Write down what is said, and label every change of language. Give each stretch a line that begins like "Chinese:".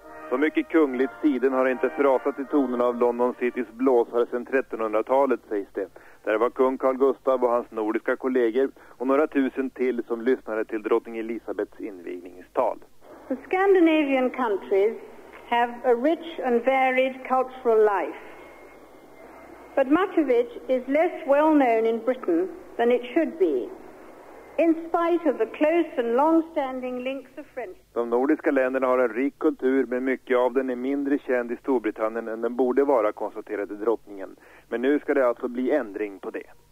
Swedish: Så mycket kungligt siden har inte frasat i tonen av London Citys blåsare sedan 1300-talet, sägs det. Där var kung Carl Gustav och hans nordiska kollegor och några tusen till som lyssnade till drottning Elisabeths invigningstal.
English: The Scandinavian countries have a rich and varied cultural life. But much of it is less well known in Britain than it should be. In spite of the close and long-standing links of friendship.
Swedish: De nordiska länderna har en rik kultur, men mycket av den är mindre känd i Storbritannien än den borde vara, konstaterade drottningen. Men nu ska det alltså bli ändring på det.